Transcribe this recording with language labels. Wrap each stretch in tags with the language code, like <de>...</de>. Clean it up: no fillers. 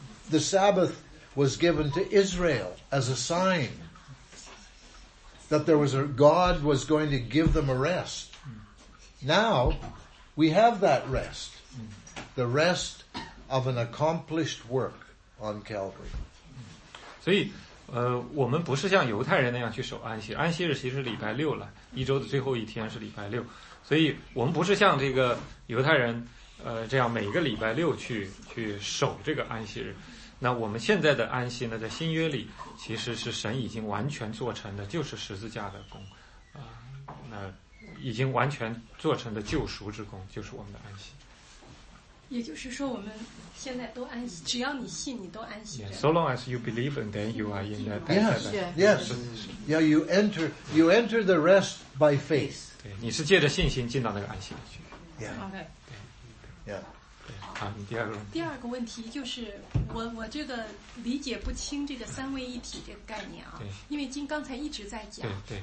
<en>The Sabbath was given to Israel as a sign that there was a God was going to give them a rest. Now, we have that rest. The rest of an accomplished work on Calvary.</en> <zh>所以，我们不是像犹太人那样去守安息。安息日其实是礼拜六了，一周的最后一天是礼拜六。所以我们不是像这个犹太人，这样每个礼拜六去守这个安息日。那我们现在的安息呢，在新约里其实是神已经完全做成的，就是十字架的功，那已经完全做成的救赎之功，就是我们的安息。也就是说，我们现在都安息，只要你信，你都安息。</zh> <en>Yeah, so long as you believe, and then you are in the yes, yes, yeah. You enter the rest by faith.</en> <zh>对，你是借着信心进到那个安息里去。</zh> <en>Yeah. Yeah.</en> <zh>好，你第二个问题。第二个问题就是我这个理解不清这个三位一体这个概念啊，因为经刚才一直在讲，对，</zh>